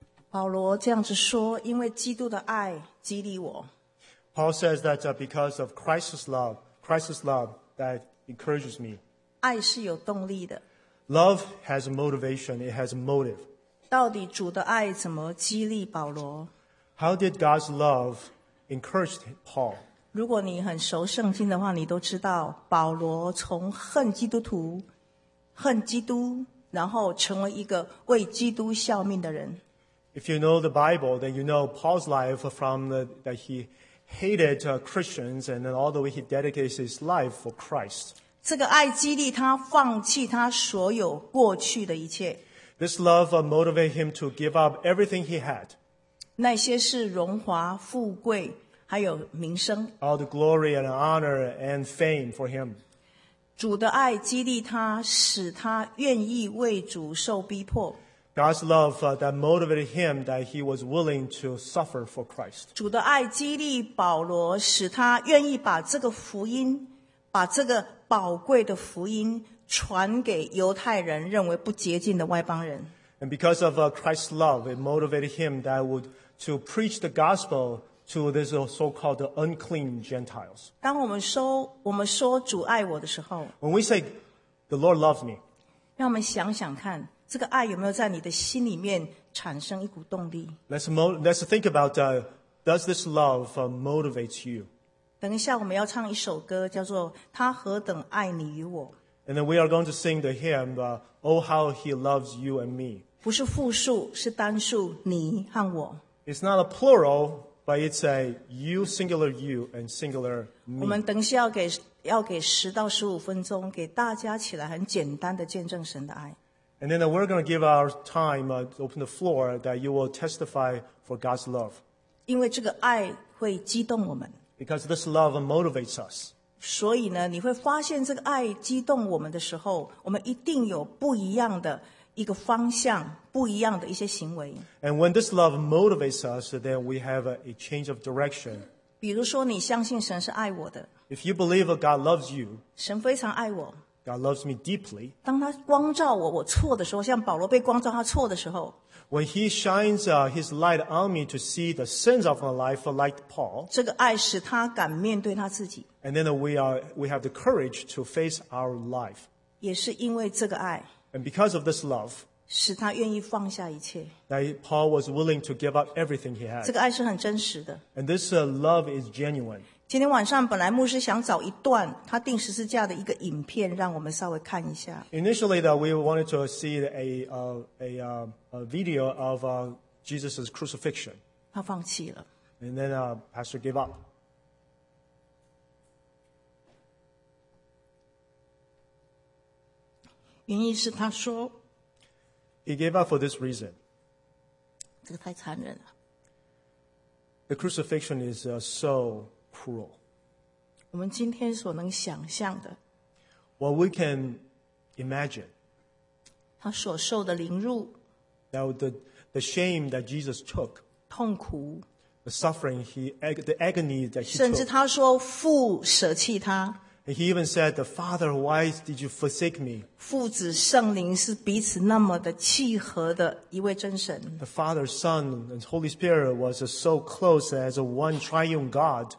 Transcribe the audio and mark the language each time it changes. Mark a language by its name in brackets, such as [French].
[Chinese] 保罗这样子说，因为基督的爱激励我。 [English] Paul says that because of Christ's love that encourages me. [Chinese] 爱是有动力的。 [English] Love has a motivation, it has a motive. [Chinese] 到底主的爱怎么激励保罗？ [English] How did God's love encourage Paul? [Chinese] 如果你很熟圣经的话，你都知道保罗从恨基督徒、恨基督，然后成为一个为基督效命的人。 [English] If you know the Bible, then you know Paul's life from that he hated Christians and then all the way he dedicated his life for Christ. [Chinese] 这个爱激励他放弃他所有过去的一切。 [English] This love motivated him to give up everything he had. [Chinese] 那些是荣华富贵还有名声。 [English] All the glory and honor and fame for him. [Chinese] 主的爱激励他使他愿意为主受逼迫。 [English] God's love that motivated him that he was willing to suffer for Christ. [Chinese] 主的爱激励保罗使他愿意把这个福音把这个宝贵的福音传给犹太人认为不洁净的外邦人。 [English] And because of Christ's love, it motivated him that would to preach the gospel to this so-called unclean Gentiles. [Chinese] 当我们说主爱我的时候 [English] When we say the Lord loves me, [Chinese] 让我们想想看这个爱有没有在你的心里面产生一股动力 [English] Let's think about does this love motivate you? [Chinese] 等一下我们要唱一首歌叫做他何等爱你与我 [English] And then we are going to sing the hymn Oh how he loves you and me [Chinese] 不是复数是单数你和我 [English] It's not a plural but it's a you singular you and singular me [Chinese] 我们等一下要给十到十五分钟给大家起来很简单的见证神的爱 [English] And then we're going to give our time, open the floor, that you will testify for God's love. [Chinese] 因为这个爱会激动我们。 [English] Because this love motivates us. [Chinese] 所以呢，你会发现这个爱激动我们的时候，我们一定有不一样的一个方向，不一样的一些行为。 [English] And when this love motivates us, then we have a change of direction. [Chinese] 比如说你相信神是爱我的。 [English] If you believe God loves you. [Chinese] 神非常爱我。 [English] God loves me deeply. [Chinese] 当他光照我，我错的时候，像保罗被光照他错的时候。 [English] When he shines his light on me to see the sins of my life, like Paul. [Chinese] 这个爱使他敢面对他自己。 [English] And then we have the courage to face our life. [Chinese] 也是因为这个爱。 [English] And because of this love. [Chinese] 使他愿意放下一切。 [English] That Paul was willing to give up everything he had. [Chinese] 这个爱是很真实的。 [English] And this love is genuine. [Chinese] 今天晚上本来牧师想找一段他钉十字架的一个影片让我们稍微看一下。 [English] Initially, we wanted to see a video of Jesus' crucifixion. [Chinese] 他放弃了。 [English] And then Pastor gave up. [Chinese] 原因是他说 [English] He gave up for this reason. [Chinese] 这个太残忍了。 [English] The crucifixion is so... [Chinese] 我们今天所能想象的 [English] What we can imagine [Chinese] 他所受的凌辱 [English] the shame that Jesus took [Chinese] 痛苦 [English] the suffering, the agony that he took [Chinese] 甚至他说父舍弃他 [English] And he even said, the Father, why did you forsake me? [Chinese] 父子圣灵是彼此那么的契合的一位真神 [English] The Father, Son, and Holy Spirit was so close as one triune God.